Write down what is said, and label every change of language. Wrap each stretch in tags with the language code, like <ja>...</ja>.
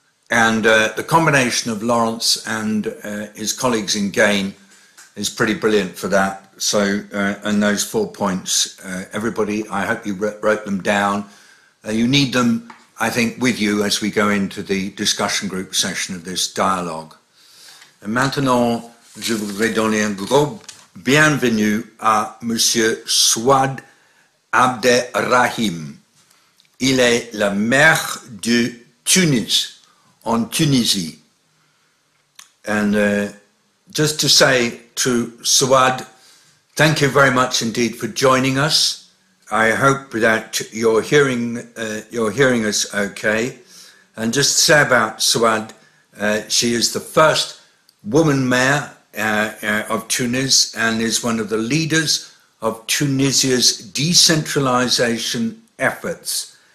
<en>And the combination of Lawrence and his colleagues in GAIN is pretty brilliant for that. So, and those 4 points, everybody, I hope you wrote them down. You need them, I think, with you as we go into the discussion group session of this dialogue.</en> <fr>Et maintenant, je voudrais donner un gros bienvenue à Monsieur Souad Abderrahim. Il est le maire de Tunis, en Tunisie.</fr> <en>And just to say to Souad, thank you very much indeed for joining us. I hope that you're hearing us okay. And just to say about Souad, she is the first woman mayor of Tunis and is one of the leaders of Tunisia's decentralization efforts.</en>